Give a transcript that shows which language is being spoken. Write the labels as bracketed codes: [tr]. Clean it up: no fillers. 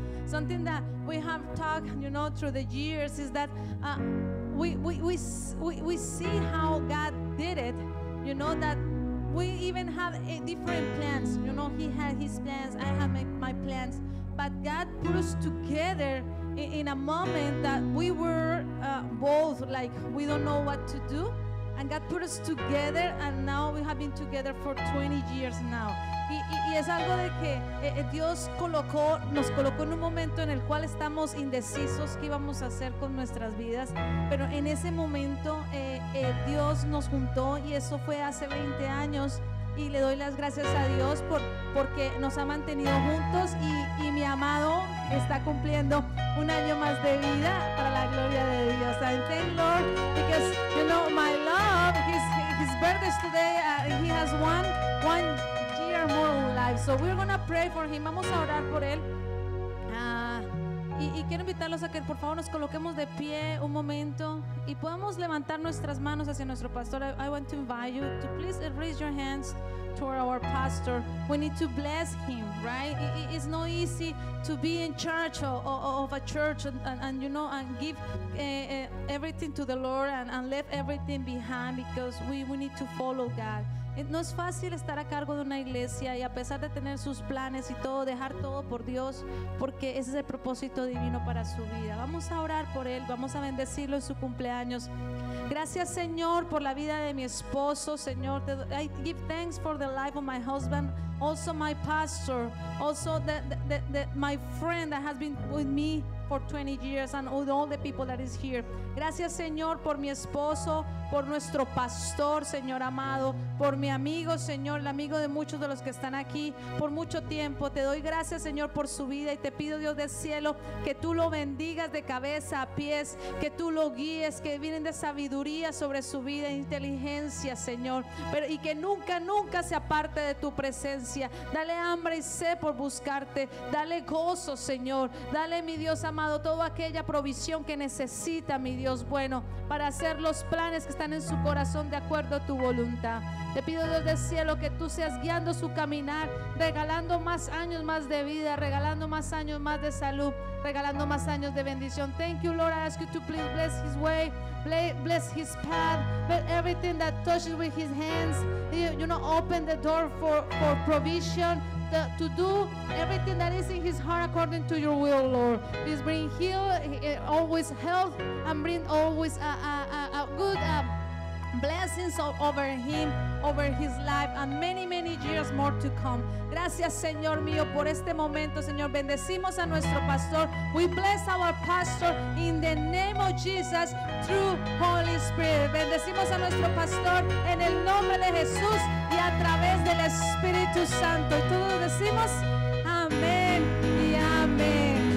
[en] Something that we have talked, you know, through the years is that we see how God did it, you know, that we even have a different plans. You know, he had his plans, I have my plans, but God put us together in a moment that we were both like, we don't know what to do, and God put us together, and now we have been together for 20 years now. [es] Y es algo de que Dios nos colocó en un momento en el cual estamos indecisos qué íbamos a hacer con nuestras vidas, pero en ese momento Dios nos juntó, y eso fue hace 20 años, y le doy las gracias a Dios porque nos ha mantenido juntos, y mi amado está cumpliendo un año más de vida para la gloria de Dios. [en] And thank Lord, because you know my love, his birthday is today, he has one more life. So we're gonna pray for him. [es] Vamos a orar por él. Y quiero invitarlos a que por favor nos coloquemos de pie un momento y podamos levantar nuestras manos hacia nuestro pastor. [en] I want to invite you to please raise your hands toward our pastor. We need to bless him, right? It's not easy to be in charge of a church and you know, and give everything to the Lord and leave everything behind, because we need to follow God. [es] No es fácil estar a cargo de una iglesia y, a pesar de tener sus planes y todo, dejar todo por Dios, porque ese es el propósito divino para su vida. Vamos a orar por él, vamos a bendecirlo en su cumpleaños. Gracias, Señor, por la vida de mi esposo. [en] Señor, I give thanks for the life of my husband, also my pastor, also the my friend that has been with me for 20 years, and all the people that is here. [es] Gracias, Señor, por mi esposo, por nuestro pastor, Señor amado, por mi amigo, Señor, el amigo de muchos de los que están aquí por mucho tiempo. Te doy gracias, Señor, por su vida, y te pido, Dios del cielo, que tú lo bendigas de cabeza a pies, que tú lo guíes, que vienen de sabiduría sobre su vida, inteligencia, Señor, pero y que nunca, nunca se aparte de tu presencia. Dale hambre y sed por buscarte, dale gozo, Señor, dale, mi Dios amado, toda aquella provisión que necesita, mi Dios bueno, para hacer los planes que están en su corazón de acuerdo a tu voluntad. Te pido, Dios del cielo, que tú seas guiando su caminar, regalando más años más de vida, regalando más años más de salud, regalando más años de bendición. [en] Thank you, Lord. I ask you to please bless his way, bless his path, bless everything that touches with his hands. You know, open the door for provision, to do everything that is in his heart according to your will, Lord. Please bring heal, always health, and bring always a good blessings over him, over his life, and many, many years more to come. [es] Gracias, Señor mío, por este momento, Señor. Bendecimos a nuestro pastor. [en] We bless our pastor in the name of Jesus through Holy Spirit. [es] Bendecimos a nuestro pastor en el nombre de Jesús y a través del Espíritu Santo. Y todos decimos amén y amén.